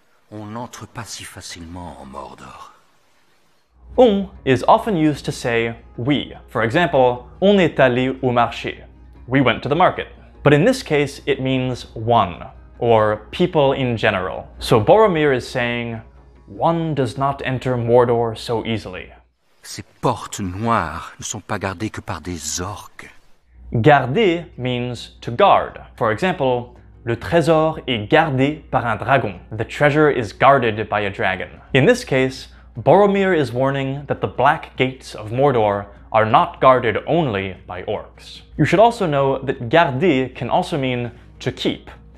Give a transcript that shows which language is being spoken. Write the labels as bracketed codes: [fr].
[fr] On n'entre pas si facilement en Mordor. [en] On is often used to say we. For example, [fr] on est allé au marché. [en] We went to the market. But in this case, it means one, or people in general. So Boromir is saying, one does not enter Mordor so easily. Ces portes noires ne sont pas gardées que par des orques. Garder means to guard. For example, [fr] le trésor est gardé par un dragon. [en] The treasure is guarded by a dragon. In this case, Boromir is warning that the black gates of Mordor are not guarded only by orcs. You should also know that garder can also mean to keep.